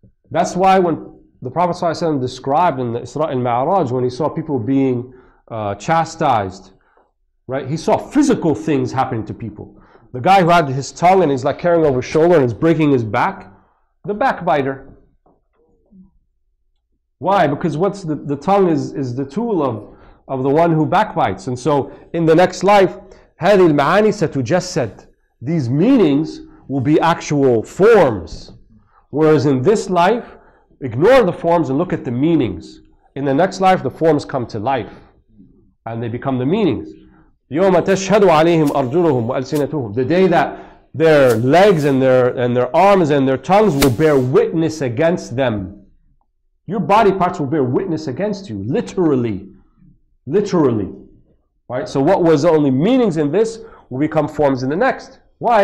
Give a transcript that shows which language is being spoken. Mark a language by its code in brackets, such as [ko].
[en] That's why when the Prophet ﷺ described in the Isra al-Mi'raj, when he saw people being chastised, right? He saw physical things happening to people. The guy who had his tongue and he's like carrying over his shoulder and is breaking his back, the backbiter. Why? Because what's the tongue is the tool of the one who backbites. And so in the next life, [ar] هذه المعاني ستجسد. [en] These meanings will be actual forms. Whereas in this life, ignore the forms and look at the meanings. In the next life, the forms come to life and they become the meanings. [ar] يوم تشهد عليهم أرجلهم وألسنتهم. [en] The day that their legs and their arms and their tongues will bear witness against them. Your body parts will bear witness against you, literally. Literally. Right? So what was only meanings in this will become forms in the next. Why?